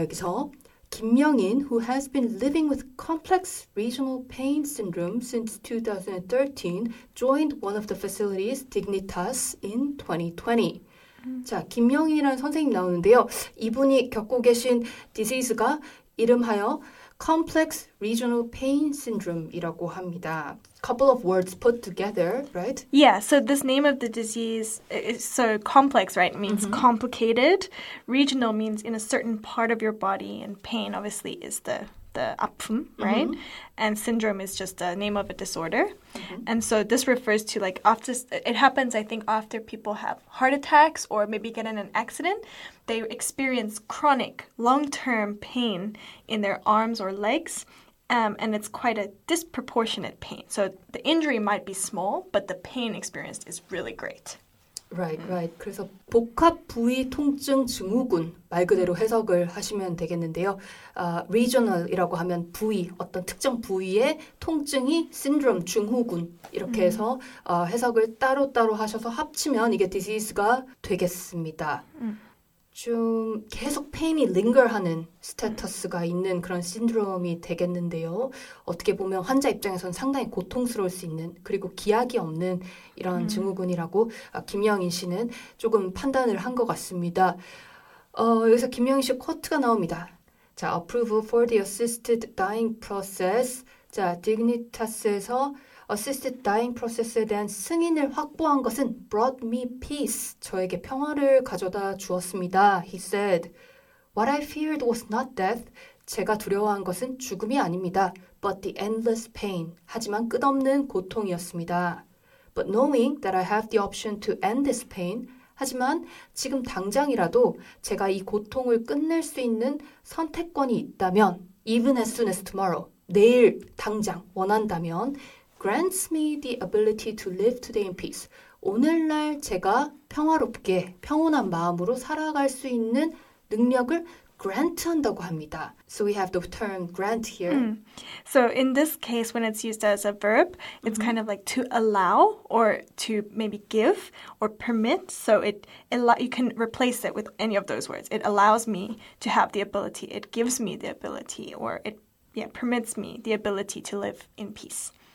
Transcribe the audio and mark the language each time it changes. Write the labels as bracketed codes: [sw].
[ko] 여기서 [en] 김명인, who has been living with complex regional pain syndrome since 2013, joined one of the facilities, Dignitas, in 2020. [ko] 자, 김명인이라는 선생님 나오는데요. 이분이 겪고 계신 disease가 이름하여 complex regional pain syndrome이라고 합니다. [en] Couple of words put together, right? Yeah, so this name of the disease is so complex, right? It means mm-hmm. complicated. Regional means in a certain part of your body, and pain obviously is the 아픔, right? Mm-hmm. And syndrome is just a name of a disorder. Mm-hmm. And so this refers to like after, it happens, I think, after people have heart attacks or maybe get in an accident, they experience chronic, long-term pain in their arms or legs. And it's quite a disproportionate pain. So the injury might be small, but the pain experienced is really great. Right, right. [ko] 그래서 복합 부위 통증 증후군 말 그대로 해석을 하시면 되겠는데요. Regional이라고 하면 부위, 어떤 특정 부위의 통증이 syndrome, 증후군 이렇게 해서 해석을 따로따로 하셔서 합치면 이게 disease가 되겠습니다. 좀 계속 pain이 linger하는 status가 있는 그런 syndrome이 되겠는데요. 어떻게 보면 환자 입장에서는 상당히 고통스러울 수 있는 그리고 기약이 없는 이런 증후군이라고 김영인 씨는 조금 판단을 한 것 같습니다. 여기서 김영인 씨 쿼트가 나옵니다. 자, [en] approval for the assisted dying process. [ko] 자, [en] Dignitas에서 assisted dying process [ko] 에 대한 승인을 확보한 것은 [en] brought me peace. [ko] 저에게 평화를 가져다 주었습니다. [en] He said, What I feared was not death. [ko] 제가 두려워한 것은 죽음이 아닙니다. [en] But the endless pain. [ko] 하지만 끝없는 고통이었습니다. [en] But knowing that I have the option to end this pain. [ko] 하지만 지금 당장이라도 제가 이 고통을 끝낼 수 있는 선택권이 있다면 [en] even as soon as tomorrow. [ko] 내일 당장 원한다면 [en] grants me the ability to live today in peace. [ko] 오늘날 제가 평화롭게 평온한 마음으로 살아갈 수 있는 능력을 grant한다고 합니다. [en] So we have the term grant here. Mm. So in this case, when it's used as a verb, it's mm-hmm. kind of like to allow or to maybe give or permit. So you can replace it with any of those words. It allows me to have the ability. It gives me the ability or it permits me the ability to live in peace.